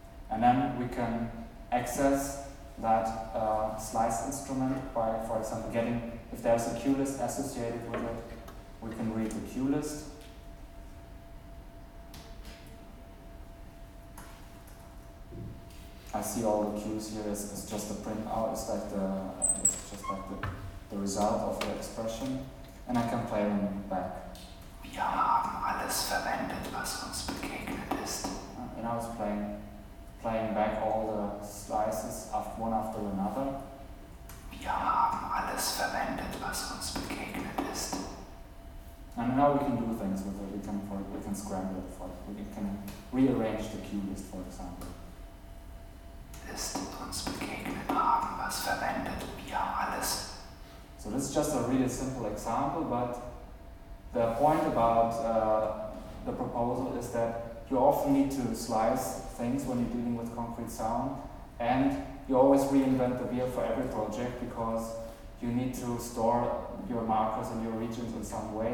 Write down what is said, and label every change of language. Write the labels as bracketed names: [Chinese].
[English] And then we can access that slice instrument by, for example, getting, if there's a cue list associated with it, we can read the cue list. I see all the cues here is just a printout, it's like the result of the expression. And I can play them back. [German] Wir haben alles verwendet, was uns begegnet ist. [English] And I was playing back all the slices one after another. [German] Wir haben alles verwendet, was uns begegnet ist. [English] And now we can do things with it. We can scramble it for it. We can rearrange the cue list, for example. [German] Ist uns begegnet haben, was verwendet wir alles. [English] So this is just a really simple example, but the point about the proposal is that you often need to slice things when you're dealing with concrete sound, and you always reinvent the wheel for every project because you need to store your markers and your regions in some way.